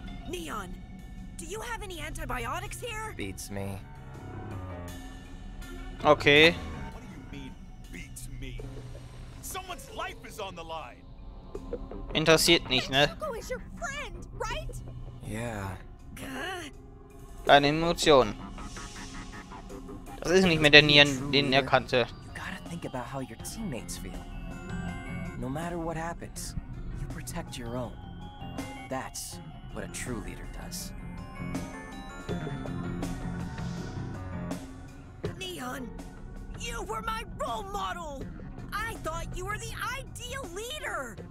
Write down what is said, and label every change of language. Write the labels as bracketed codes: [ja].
[en] Neon, do you have any antibiotics here? Beats me. Okay. What do you mean beats me? Someone's life is on the line. [de] Interessiert nicht, ne? [en] Chuko is your friend, right? Yeah. [de] Deine Emotion. Das ist nicht mehr der Nieren, den er kannte. [en] You gotta think about how your teammates feel. No matter what happens, you protect your own. That's what a true leader does. Neon, you were my role model. I thought you were the ideal leader.